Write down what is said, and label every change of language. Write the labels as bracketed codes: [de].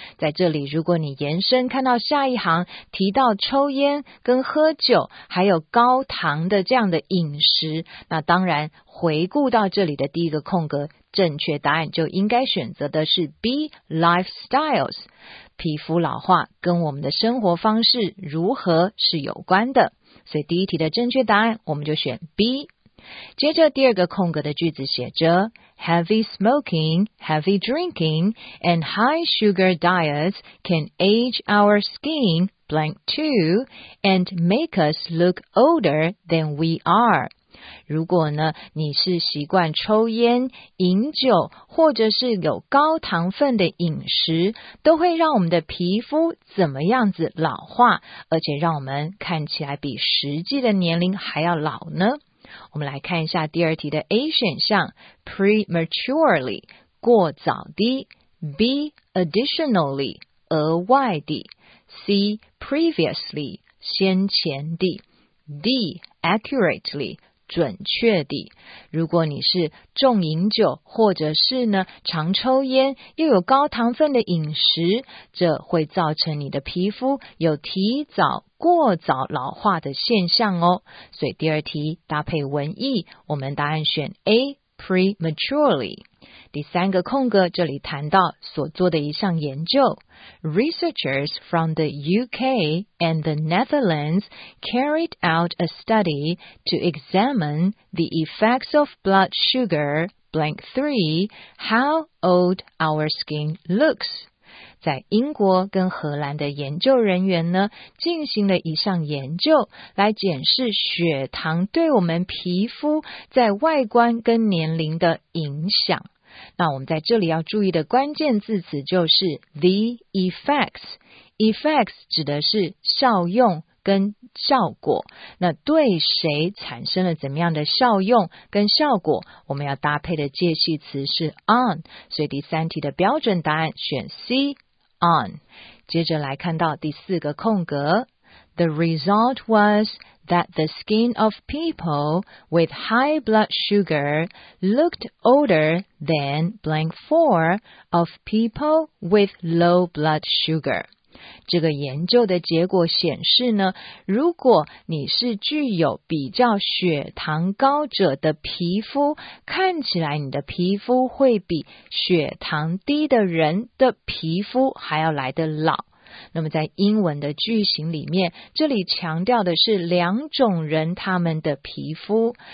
[zh] 在这里，如果你延伸看到下一行，提到抽烟跟喝酒，还有高糖的这样的饮食，那当然，回顾到这里的第一个空格，正确答案就应该选择的是 B, lifestyles, 皮肤老化跟我们的生活方式如何是有关的。所以第一题的正确答案，我们就选 B。 [en] 接着第二个空格的句子写着 Heavy smoking, heavy drinking, and high sugar diets can age our skin blank too and make us look older than we are. [zh] 如果呢，你是习惯抽烟、饮酒，或者是有高糖分的饮食，都会让我们的皮肤怎么样子老化，而且让我们看起来比实际的年龄还要老呢？我们来看一下第二题的 A 选项 prematurely 过早的 B additionally 额外的 C previously 先前的 D accurately 准确的。如果你是重饮酒或者是呢常抽烟又有高糖分的饮食，这会造成你的皮肤有提早过早老化的现象哦。所以第二题搭配文意，我们答案选 A [en] prematurely。 [zh] 第三个空格这里谈到所做的一项研究。 [en] Researchers from the UK and the Netherlands carried out a study to examine the effects of blood sugar, blank 3, how old our skin looks. [zh] 在英国跟荷兰的研究人员呢，进行了一项研究，来检视血糖对我们皮肤在外观跟年龄的影响。那我们在这里要注意的关键字词就是 the effects。 effects 指的是效用跟效果，那对谁产生了怎么样的效用跟效果，我们要搭配的介系词是 on， 所以第三题的标准答案选 C。 [en] On. [zh] 接着来看到第四个空格。 [en] The result was that the skin of people with high blood sugar looked older than blank 4 of people with low blood sugar. [zh] 这个研究的结果显示呢，如果你是具有比较血糖高者的皮肤，看起来你的皮肤会比血糖低的人的皮肤还要来得老。那么在英文的句型里面，这里强调的是两种人他们的皮肤。